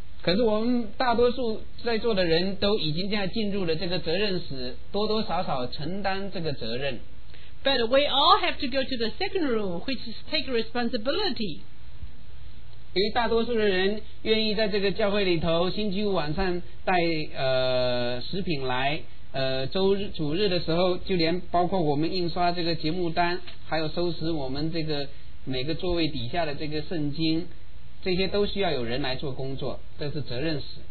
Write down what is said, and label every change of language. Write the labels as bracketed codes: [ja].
[zh] 可是我们大多数在座的人都已经在进入了这个责任时，多多少少承担这个责任。 [en] But we all have to go to the second room, which is take responsibility. [zh] 因为大多数的人愿意在这个教会里头星期五晚上带食品来，周日主日的时候，就连包括我们印刷这个节目单，还有收拾我们这个每个座位底下的这个圣经，这些都需要有人来做工作，这是责任史。